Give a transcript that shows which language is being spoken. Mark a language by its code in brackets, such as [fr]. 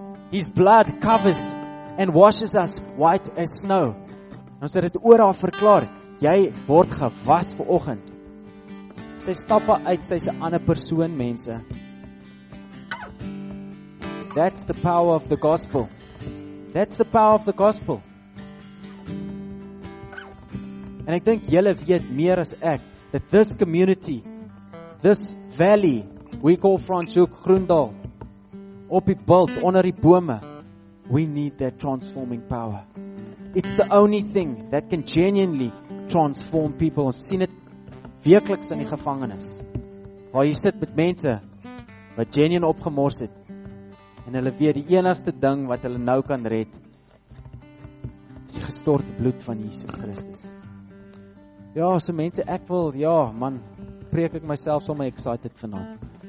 [en] His blood covers and washes us white as snow. [af] Ons het dit oor haar verklaar. Jy word gewas vanoggend. Sy stappe uit, sy's 'n ander persoon, mense. [en] That's the power of the gospel. That's the power of the gospel. And [af] ek dink julle weet meer as ek [en] that this community, this valley, we call Franschhoek Groendal, [af] op die bult onder die bome, [en] we need that transforming power. It's the only thing that can genuinely transform people. [af] Ons sien dit weekliks in die gevangenis. Waar jy sit met mense wat genuine opgemors het en hulle weet die enigste ding wat hulle nou kan red is die gestorte bloed van Jesus Christus. Ja, so mense, ek wil, ja, man, preek ek myself sommer excited vanaand.